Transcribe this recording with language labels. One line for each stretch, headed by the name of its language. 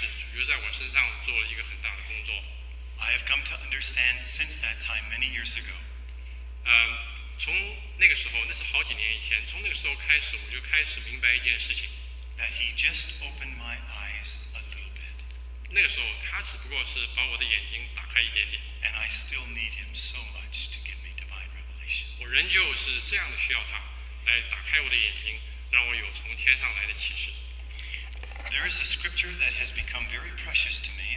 Chinese: 我就是那次寻求主，也遇见了主。我离开的时候，从那个时候开始，主就在我身上做了一个很大的工作。
English: I have come to understand since that time many years ago.
Chinese: 从那个时候，那是好几年以前。从那个时候开始，我就开始明白一件事情。
English: That he just opened my eyes a little bit.
Chinese: 那个时候，他只不过是把我的眼睛打开一点点。
English: And I still need him so much to give me divine revelation.
Chinese: 我仍旧是这样的需要他，来打开我的眼睛，让我有从天上来的启示。
English: There is a scripture that has become very precious to me.